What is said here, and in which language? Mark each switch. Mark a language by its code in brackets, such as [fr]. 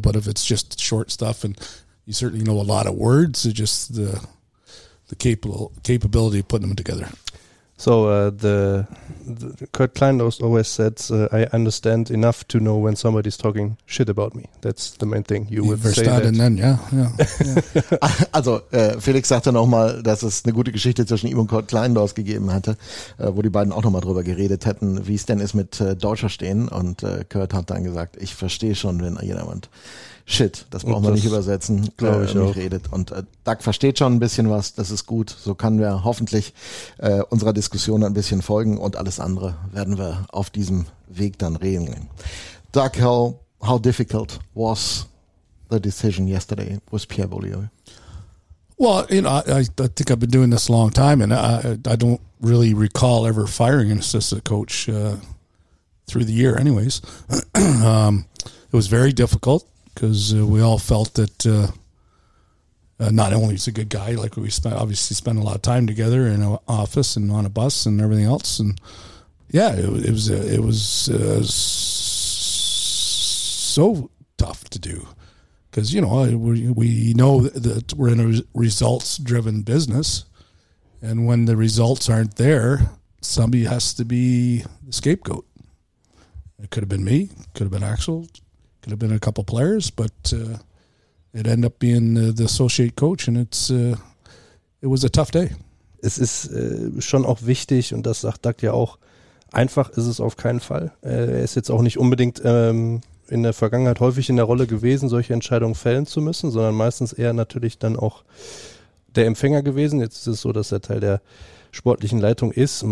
[en] But if it's just short stuff and you certainly know a lot of words, it's just the capability of putting them together. So the Kurt Kleindos always said, I understand enough to know when somebody's talking shit about me. That's the main thing. You would say that. And then, yeah. [de] Also Felix sagte nochmal, dass es eine gute Geschichte zwischen ihm und Kurt Kleindos gegeben hatte, wo die beiden auch nochmal drüber geredet hätten, wie es denn ist mit Deutscher stehen. Und Kurt hat dann gesagt, ich verstehe schon, wenn jemand shit, das braucht man nicht übersetzen, glaube ich, nicht redet. Und Doug versteht schon ein bisschen was, das ist gut. So können wir hoffentlich unserer Diskussion ein bisschen folgen und alles andere werden wir auf diesem Weg dann regeln. [en] Doug, how difficult was the decision yesterday with Pierre Beaulieu? Well, you know, I think I've been doing this a long time and I don't really recall ever firing an assistant coach through the year anyways. It was very difficult. Because we all felt that not only is he a good guy, like we spent a lot of time together in an office and on a bus and everything else, and yeah, it was so tough to do, because you know we know that we're in a results driven business, and when the results aren't there, somebody has to be the scapegoat. It could have been me, could have been Axel. Could have been a couple players, but it ended up being the associate coach, and it was a tough day. [de] Es ist schon auch wichtig, und das sagt Doug ja auch, einfach ist es auf keinen Fall. Er ist jetzt auch nicht unbedingt in der Vergangenheit häufig in der Rolle gewesen, solche Entscheidungen fällen zu müssen, sondern meistens eher natürlich dann auch der Empfänger gewesen. Jetzt ist es so, dass er Teil der sportlichen Leitung ist.